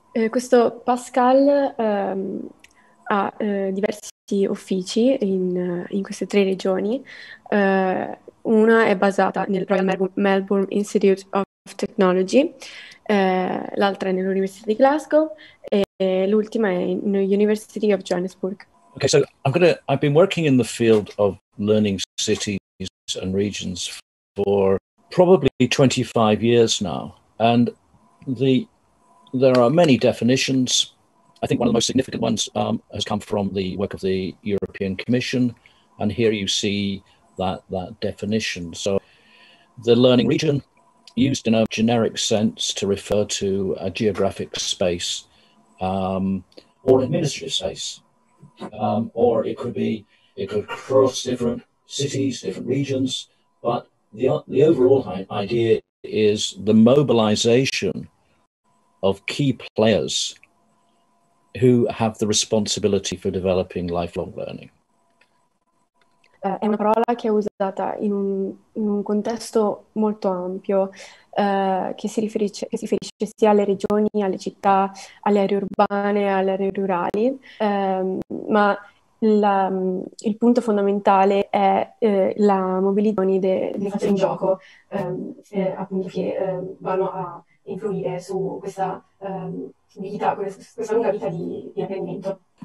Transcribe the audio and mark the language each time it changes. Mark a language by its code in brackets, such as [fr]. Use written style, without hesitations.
[it] Questo Pascal ha diversi uffici in queste tre regioni. Una è basata nel Royal Melbourne Institute of Technology, l'altra è nell'Università di Glasgow e l'ultima è in University of Johannesburg. [en] Okay, so I've been working in the field of learning cities and regions for probably 25 years now, and there are many definitions. I think one of the most significant ones has come from the work of the European Commission. And here you see that definition. So the learning region, used in a generic sense to refer to a geographic space or administrative space. Or it could cross different cities, different regions. But the overall idea is the mobilization of key players who have the responsibility for developing lifelong learning. [it] È una parola che è usata in un contesto molto ampio, che si riferisce sia alle regioni, alle città, alle aree urbane, alle aree rurali, ma il punto fondamentale è la mobilizzazione dei fattori in gioco, appunto che vanno a influire su questa lunga vita di apprendimento.